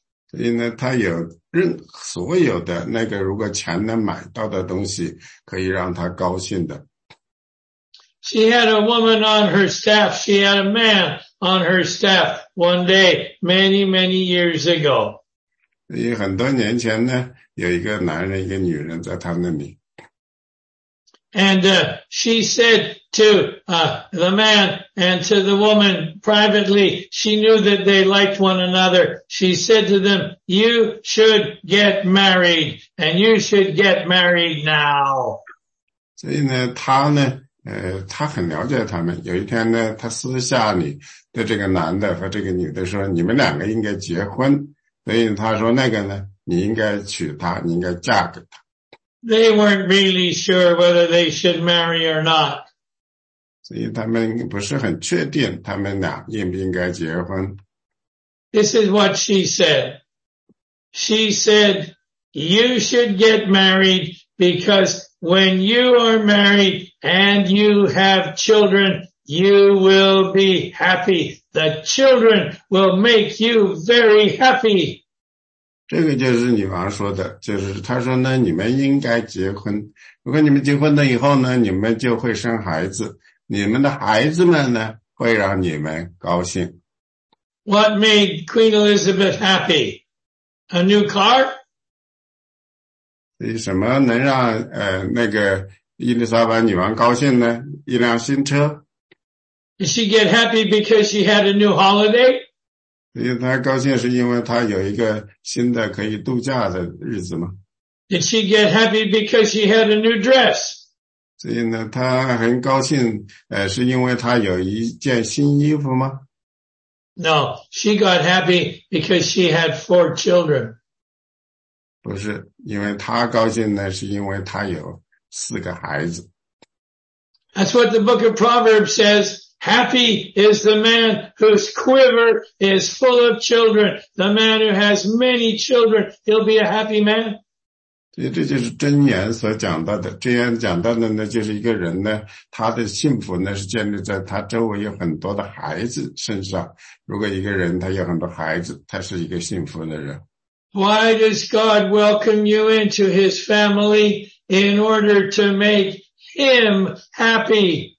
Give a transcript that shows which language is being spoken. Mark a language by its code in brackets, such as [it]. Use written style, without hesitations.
[zh] 所以呢，她有任所有的那个如果钱能买到的东西可以让她高兴的。 [en] She had a woman on her staff. She had a man on her staff one day, many, many years ago. [zh] 因为很多年前呢，有一个男人，一个女人在他那里。 [en] And, she said to, the man and to the woman privately, she knew that they liked one another. She said to them, you should get married and you should get married now. [zh] 所以呢他呢他很了解他们。有一天呢他私下里对这个男的和这个女的说你们两个应该结婚。所以他说那个呢你应该娶她，你应该嫁给她。 [en] They weren't really sure whether they should marry or not. [zh] 所以他们不是很确定他们俩应不应该结婚。 [en] This is what she said. She said, you should get married because when you are married and you have children, you will be happy. The children will make you very happy. [zh] 这个就是女王说的，就是她说呢，你们应该结婚。如果你们结婚了以后呢，你们就会生孩子，你们的孩子们呢，会让你们高兴。 [en] What made Queen Elizabeth happy? A new car? [zh] 什么能让那个伊丽莎白女王高兴呢？一辆新车。 [en] Did she get happy because she had a new holiday? [zh] 所以他高兴是因为他有一个新的可以度假的日子吗？ [en] Did she get happy because she had a new dress? [zh] 所以呢他很高兴是因为他有一件新衣服吗？ [en] No, she got happy because she had four children. [zh] 不是，因为他高兴呢是因为他有四个孩子。 [en] That's what the book of Proverbs says. Happy is the man whose quiver is full of children. The man who has many children, he'll be a happy man. [zh] 这就是箴言所讲到的。箴言讲到的呢，就是一个人呢，他的幸福呢是建立在他周围有很多的孩子身上。如果一个人他有很多孩子，他是一个幸福的人。 [en] Why does God welcome you into his family in order to make him happy?